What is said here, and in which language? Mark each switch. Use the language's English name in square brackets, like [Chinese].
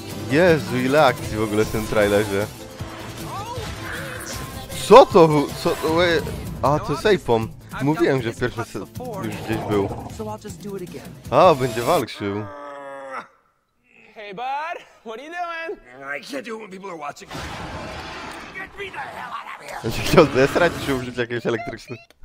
[Polish] Jezu, ile akcji w ogóle w tym trailerze. Co to? Co to? A, to Sejpom. Mówiłem, że pierwszy już gdzieś był. A, będzie walczył. [English] Hey bud, what are you doing? I can't do it when people are watching. [Polish] On się chciał zesrać, czy użyć jakiegoś elektrycznego?